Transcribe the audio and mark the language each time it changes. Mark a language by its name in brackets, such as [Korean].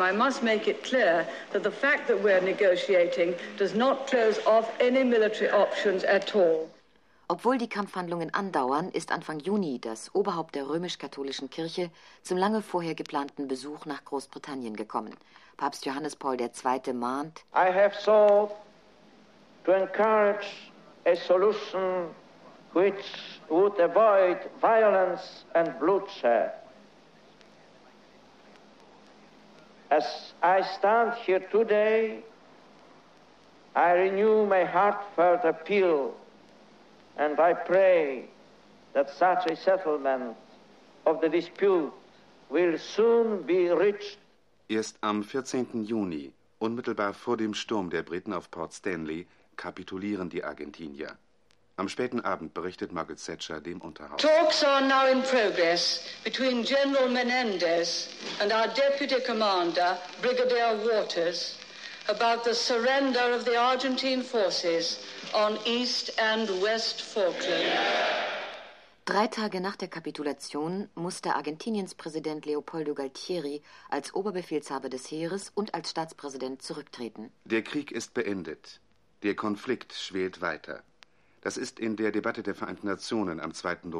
[English] I must make it clear that the fact that we're negotiating does not close off any military options at all. [German] Obwohl die Kampfhandlungen andauern, ist Anfang Juni das Oberhaupt der römisch-katholischen Kirche zum lange vorher geplanten Besuch nach Großbritannien gekommen. Papst Johannes Paul II. Mahnt, [English] I have sought to encourage a solution which would avoid violence and bloodshed. As I stand here today, I renew my heartfelt appeal and I pray that such a settlement of the dispute will soon be reached. [German] Erst am 14. Juni, unmittelbar vor dem Sturm der Briten auf Port Stanley, kapitulieren die Argentinier. Am späten Abend berichtet Margaret Thatcher dem Unterhaus. [English] Talks are now in progress between General Menendez and our deputy commander, Brigadier Waters, about the surrender of the Argentine forces on East and West Falkland. [German] Drei Tage nach der Kapitulation musste Argentiniens Präsident Leopoldo Galtieri als Oberbefehlshaber des Heeres und als Staatspräsident zurücktreten. Der Krieg ist beendet. Der Konflikt schwelt weiter. Das ist in der Debatte der Vereinten Nationen am 2.